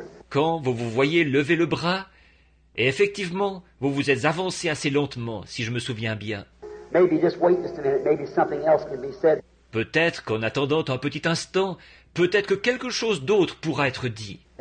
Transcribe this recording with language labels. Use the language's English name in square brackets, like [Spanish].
[French] Quand vous vous voyez lever le bras, et effectivement, vous vous êtes avancé assez lentement, si je me souviens bien. [English] Maybe just wait just a minute, maybe something else can be said. [French] Peut-être qu'en attendant un petit instant, peut-être que quelque chose d'autre pourra être dit.